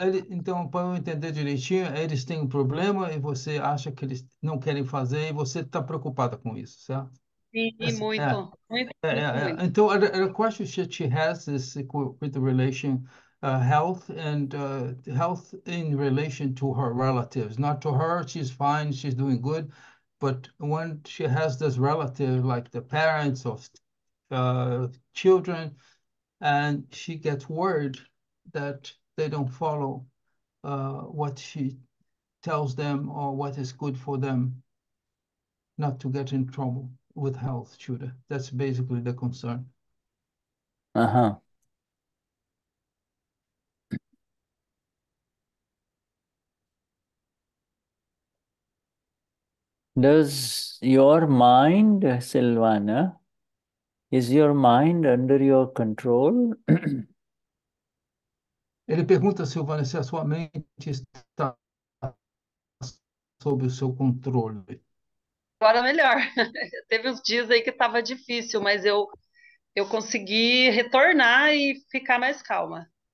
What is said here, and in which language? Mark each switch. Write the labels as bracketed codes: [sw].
[pt] Então, para eu entender direitinho, eles têm um problema e você acha que eles não querem fazer e você está preocupada com isso, certo? Sim, muito, muito, muito, muito. [en] Então, a question that she has is with the relation health and health in relation to her relatives. Not to her, she's fine, she's doing good, but when she has this relative, like the parents of children, and she gets worried that they don't follow what she tells them or what is good for them, not to get in trouble with health, Shuddha. That's basically the concern. Does your mind, Silvana, is your mind under your control? [pt] Ele pergunta, Silvana, se a sua mente está sob o seu controle. Agora melhor. Teve uns dias aí que estava difícil, mas eu consegui retornar e ficar mais calma.